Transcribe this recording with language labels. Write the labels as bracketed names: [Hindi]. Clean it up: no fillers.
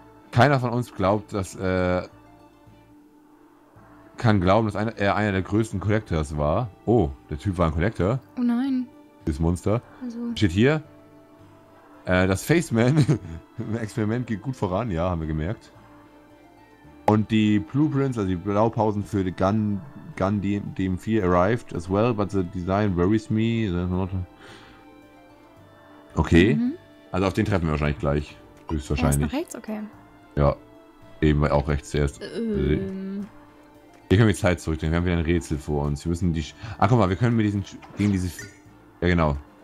[German] Keiner von uns glaubt, dass kann glauben, dass er einer der größten Collectors war. Oh, der Typ war ein Collector. Oh nein. Dieses Monster. Also. Steht hier. Das Faceman. Experiment geht gut voran, ja, haben wir gemerkt. Und die Blueprints, also die Blaupausen für die Gun DM4 [English] arrived as well, but the design worries me. [German] Okay. Mhm. Also auf den treffen wir wahrscheinlich gleich. Höchstwahrscheinlich. Rechts, okay. Ja. Eben auch rechts zuerst. Hier können wir Zeit zurückdrehen. Wir haben wieder ein Rätsel vor uns. Wir müssen die. Ach, guck mal, wir können mit diesen. Gegen diese. Ja, genau.